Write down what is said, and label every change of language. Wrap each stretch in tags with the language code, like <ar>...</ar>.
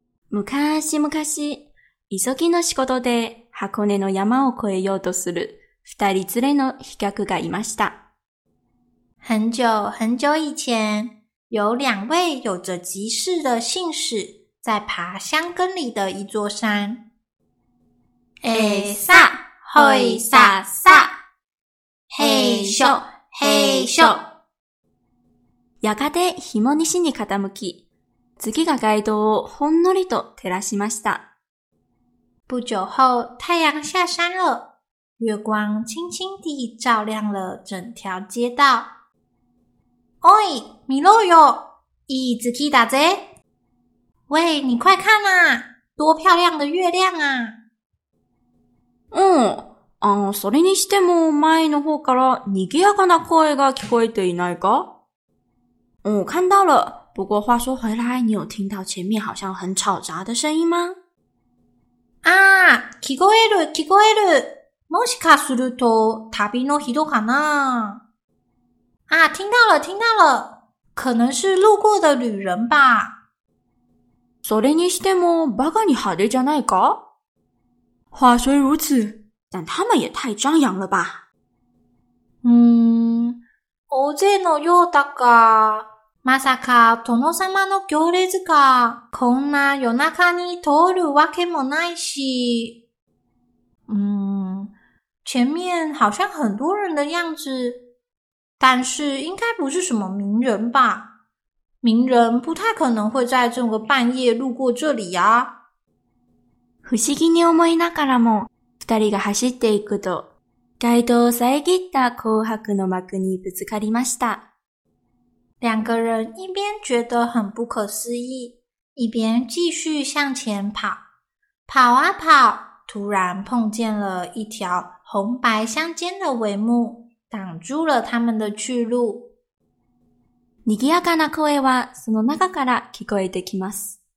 <ja>昔々、急ぎの仕事で箱根の山を越えようとする二人連れの飛脚がいました。</ja> <zh>很久很久以前，有两位有着急事的信使在爬箱根里的一座山。嘿撒嘿撒撒嘿咻嘿咻。</zh> <ja>やがて日も西に傾き、月が街道をほんのりと照らしました。</ja> <zh>不久后太阳下山了，月光轻轻地照亮了整条街道。</zh> <ja>おい、見ろよ、いい月だぜ。</ja> <zh>喂，你快看啦，多漂亮的月亮啊。</zh> <ja>うん、あの、それにしても前の方から賑やかな声が聞こえていないか？</ja> <zh>うん、看到了。不过话说回来，你有听到前面好像很吵杂的声音吗？</zh> <ja>あ、聞こえる、聞こえる。もしかすると旅の人かな。</ja> <zh>啊，听到了听到了，可能是路过的旅人吧。</zh> <ja>それにしてもバカに派手じゃないか。</ja> <zh>话虽如此，但他们也太张扬了吧。</zh> <ja>大勢のようだが、まさか殿様の行列がこんな夜中に通るわけもないし。</ja> <zh>前面好像很多人的样子，但是应该不是什么名人吧？名人不太可能会在这个半夜路过这里呀。</zh> <ja>不思議に思いながらも、二人が走っていくと、街道を遮った紅白の幕にぶつかりました。</ja> <zh>两个人一边觉得很不可思议，一边继续向前跑。跑啊跑，突然碰见了一条红白相间的帷幕，挡住了他们的去路。</zh> <ja>にぎやかな声はその中から聞こえてきます。</ja>